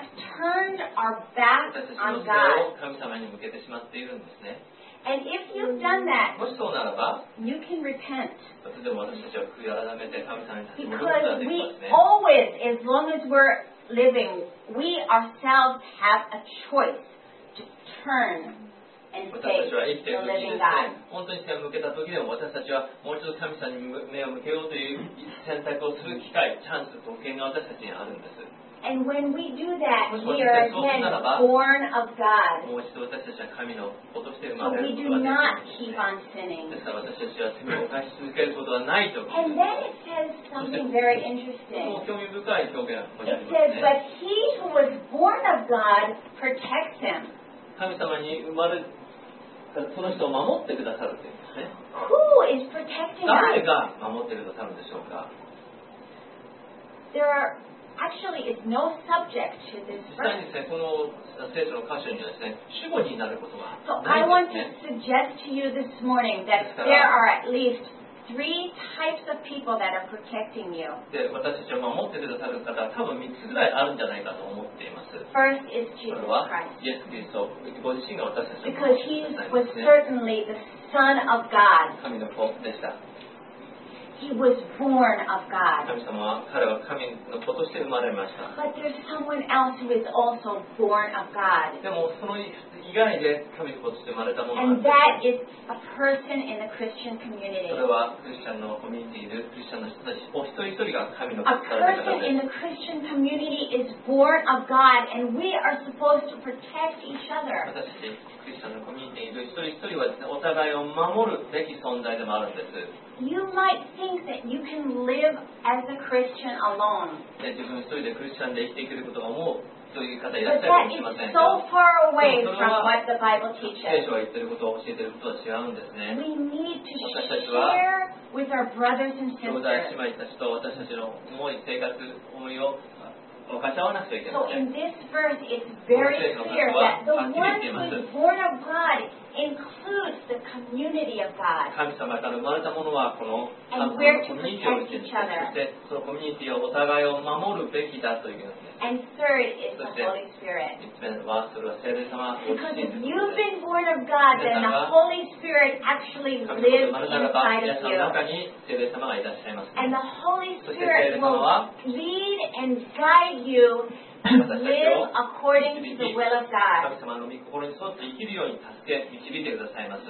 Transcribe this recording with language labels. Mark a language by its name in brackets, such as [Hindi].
[English] we have turned our back on God. [Japanese] 私たちの背を神様に向けてしまっているんですね。 [English] And if you've done that, [Japanese] もしそうならば、 [English] you can repent. [Japanese] でも私たちは悔い改めて神様に立ち戻ることができますね。 [English] Because we always, as long as we're living, we ourselves have a choice to turn. And say, you're living God. [Japanese] 本当に手を向けた時でも私たちはもう一度神様に目を向けようという選択をする機会、チャンス、特権が私たちにあるんです。 [English] And when we do that, we are again born of God. [Japanese] もう一度私たちは神の子として生まれることができる。 [English] So we do not keep on sinning. [Japanese] ですから私たちは罪を犯し続けることはないと。 [English] And then it says something very interesting. [Japanese] もう興味深い表現がここにありますね。 [English] It says, but he who was born of God protects him. [Japanese] 神様に生まれたその人を守ってくださるというんですね。 [English] Who is protecting us? [Japanese] 誰が守ってくださるんでしょうか。 [English] There are actually is no subject to this verse. [Japanese] 実際にですね、この聖書の箇所にはですね、主語になることはないんですね。 [English] So I want to suggest to you this morning that there are at least three types of people that are protecting you. [Japanese] で、私たちを守ってくださる方は多分三つぐらいあるんじゃないかと思っています。 [English] First is Jesus Christ. [Japanese] それはイエス・キリストご自身が私たちを守ってくださいますね。 [English] Because he was certainly the Son of God. [Japanese] 神の子でした。 [English] He was born of God. [Japanese] 神様は彼は神の子として生まれました。 [English] But there's someone else who is also born of God. [Japanese] でもその以外で神の子として生まれたものは、 [English] And that is a person in the Christian community. [Japanese] それはクリスチャンのコミュニティでクリスチャンの人たちお一人一人が神の子から出たので。 [English] A person in the Christian community is born of God, and we are supposed to protect each other. [Japanese] 私たちクリスチャンのコミュニティで一人一人はですね、お互いを守るべき存在でもあるんです。 [English] You might think that you can live as a Christian alone. [Japanese] 自分一人でクリスチャンで生きていけることが思うという方いらっしゃるかもしれません。 [English] But that is so far away from what the Bible teaches. [Japanese] 聖書が言っていることを教えていることは違うんですね。 [English] We need to share with our brothers and sisters. [Japanese] 兄弟姉妹たちと私たちの思い、生活、思いを分かち合わなくちゃいけません。 [English] So in this verse, it's very clear that the one who is born of God includes the community of God. [Japanese] 神様から生まれたものはこの神コミュニティを受けて、そのコミュニティをお互いを守るべきだというですね。 [English] And third is the Holy Spirit. [Japanese] 3つ目のワーストは聖霊様。 [English] Because if you've been born of God, then the Holy Spirit actually lives inside of you. [Japanese] 神様の中に聖霊様がいらっしゃいます。 [English] And the Holy Spirit will lead and guide you. Live according to the will of God. [Japanese] 神様の御心に沿って生きるように助け導いてくださいます。